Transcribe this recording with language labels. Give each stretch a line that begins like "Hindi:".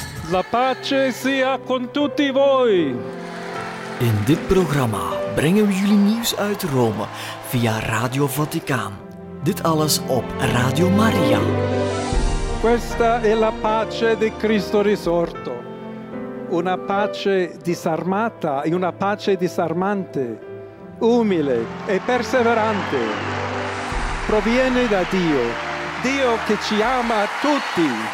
Italian: La pace sia con tutti voi.
Dutch: In dit programma brengen we jullie nieuws uit Rome via Radio Vaticaan. Dit alles op Radio Maria.
Italian: Questa è la pace di Cristo risorto. Una pace disarmata e una pace disarmante, umile e perseverante. Proviene da Dio, Dio che ci ama tutti.